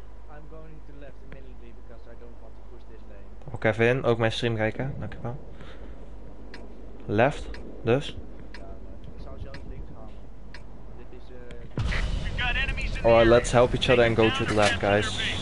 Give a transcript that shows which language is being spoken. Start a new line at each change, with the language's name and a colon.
English: I'm going to left immediately because I don't want to push this lane.
Dutch: Oké, Kevin, ook mijn stream kijken, dankjewel. Left, dus? Ja, ik zou zelf links halen. Dit is
English: Alright, let's help each other and go to the left, guys.